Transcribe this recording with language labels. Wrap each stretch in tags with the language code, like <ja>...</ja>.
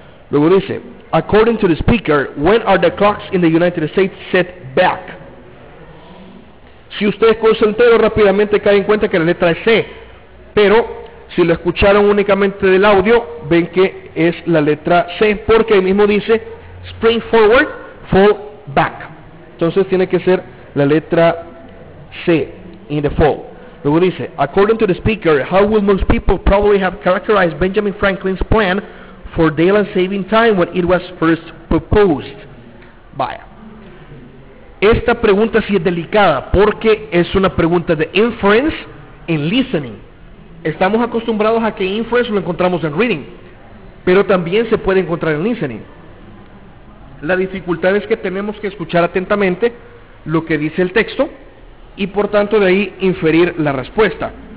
<es>Luego dice,</es> <en>according to the speaker, when are the clocks in the United States set back?</en> <es>Si usted es consultero, rápidamente cae en cuenta que la letra es C, pero si lo escucharon únicamente del audio, ven que es la letra C, porque ahí mismo dice</es> <en>spring forward, fall back.</en> <es>Entonces tiene que ser la letra C</es> <en>in the fall.</en> <es>Luego dice,</es> <en>according to the speaker, how would most people probably have characterized Benjamin Franklin's plan for daylight saving time when it was first proposed?</en> <es>Vaya. Esta pregunta sí es delicada porque es una pregunta de inference en listening. Estamos acostumbrados a que inference lo encontramos en reading, pero también se puede encontrar en listening. La dificultad es que tenemos que escuchar atentamente lo que dice el texto y por tanto de ahí inferir la respuesta.</es>